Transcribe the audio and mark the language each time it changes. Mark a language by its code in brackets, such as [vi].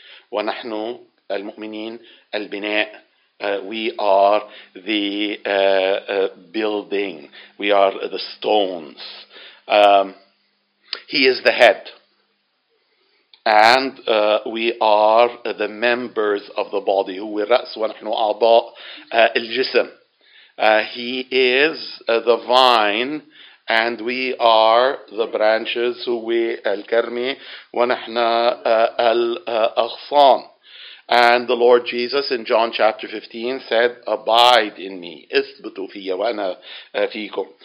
[ar] وَنَحْنُ الْمُؤْمِنِينَ الْبِنَاءِ. [en] We are the building. We are the stones. He is the head. And we are the members of the body. [ar] هو الرأس ونحن أعضاء الجسم. [en] He is the vine, and we are the branches. [ar] هو الكرمة ونحن الأغصان. [en] And the Lord Jesus in John chapter 15 said, abide in me. [ar] اثبتوا فيا وانا فيكم.